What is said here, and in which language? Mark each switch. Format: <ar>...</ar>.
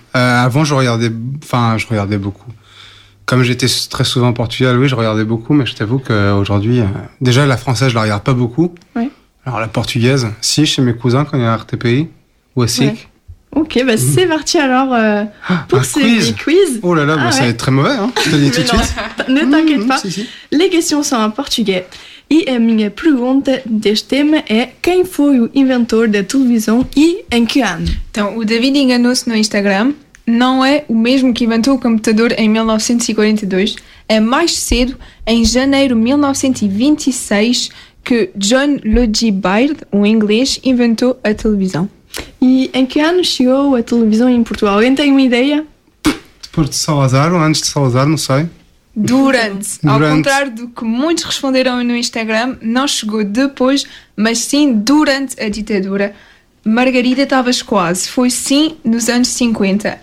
<fr>Avant, je regardais beaucoup. Comme j'étais très souvent en Portugal, oui, je regardais beaucoup, mais je t'avoue qu'aujourd'hui, déjà la française, je la regarde pas beaucoup. Ouais. Alors la portugaise, si, chez mes cousins quand il y a RTPI ou SIC. Ouais. Ok, bah c'est parti alors pour ces quiz. Oh là là, bah, ça va être très mauvais, hein, je te dis tout de suite. Ne t'inquiète pas, si. Les questions sont en portugais.</fr> <pt>E a minha pergunta deste tema é: quem foi o inventor da televisão e em que ano? Então, o David enganou-se no Instagram. Não é o mesmo que inventou o computador em 1942. É mais cedo, em janeiro de 1926,</pt> <fr>que John Logie Baird, en anglais, inventou la télévision.</fr> <pt>E em que ano chegou a televisão em Portugal? Alguém tem uma ideia? Depois de Salazar ou antes de Salazar, não sei. Durante. Ao contrário do que muitos responderam no Instagram, não chegou depois, mas sim durante a ditadura. Margarida, estavas quase. Foi sim nos anos 50.</pt>